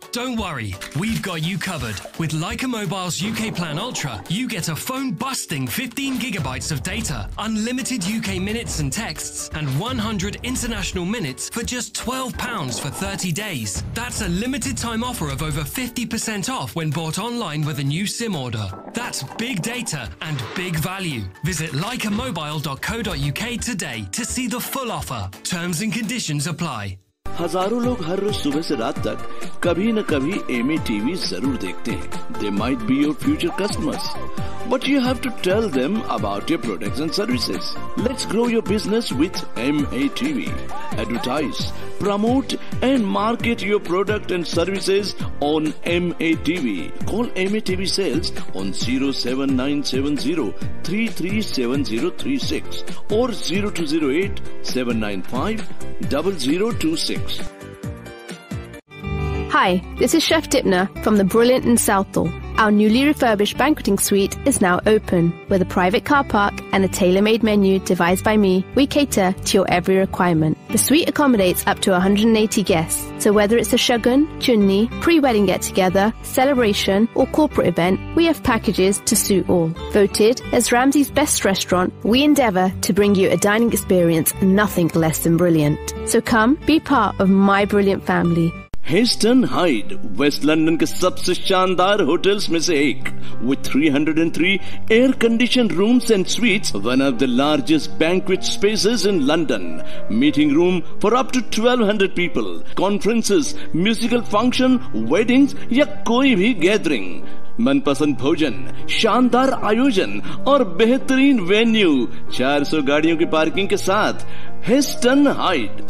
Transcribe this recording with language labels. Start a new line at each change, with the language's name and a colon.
English: Don't worry, we've got you covered. With Leica Mobile's UK Plan Ultra, you get a phone busting 15 gigabytes of data, unlimited UK minutes and texts, and 100 international minutes for just £12 for 30 days. That's a limited time offer of over 50% off when bought online with a new SIM order. That's big data and big value. Visit leicamobile.co.uk today to see the full offer. Terms and conditions apply.
Hindi: हजारों लोग हर रोज सुबह से रात तक कभी न कभी MA TV जरूर देखते हैं।
English: They might be your future customers but you have to tell them about your products and services. Let's grow your business with MA TV. Advertise, promote and market your product and services on MA TV. Call MA TV sales on 07970-337036 और 0208-795-0026. Hi, this is Chef Dipna from the Brilliant in Southall. Our newly refurbished banqueting suite is now open. With a private car park and a tailor-made menu devised by me, we cater to your every requirement. The suite accommodates up to 180 guests. So whether it's a shogun, chunni, pre-wedding get-together, celebration, or corporate event, we have packages to suit all. Voted as Ramsay's best restaurant, we endeavor to bring you a dining experience nothing less than brilliant. So come, be part of my brilliant family. Heston Hyde
Hindi: waste London के सबसे शानदार hotels में से एक
English: with 303 air condition rooms and suites one of the largest banquet spaces in London meeting room for up to 1200 people conferences musical function weddings
Hindi: या कोई भी gathering मनपसंद भोजन शानदार आयोजन और बेहतरीन वेन्यू 400 गाड़ियों की पार्किंग के साथ
English: Heston Hyde.